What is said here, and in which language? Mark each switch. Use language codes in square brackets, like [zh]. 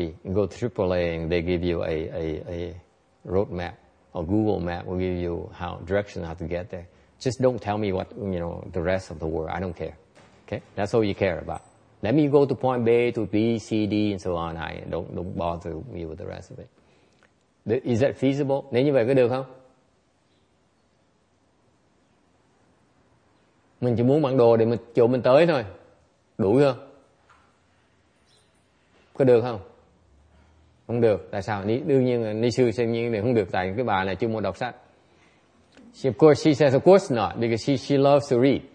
[en] You go to AAA and they give you a road map, or Google map will give you how to get there. Just don't tell me what, you know, the rest of the world. I don't care. Okay? That's all you care about. Let me go to point B, to B, C, D, and so on. I don't bother me with the rest of it. Is that feasible? [vi] Nếu như vậy có được không? Mình chỉ muốn bản đồ để mình chỗ mình tới thôi. Đủ chưa? Có được không? Không được. Tại sao? Đương nhiên, ni sư xem như này không được. Tại cái bà này chưa muốn đọc sách. [en] She, of course, she says, of course not, because she loves to read.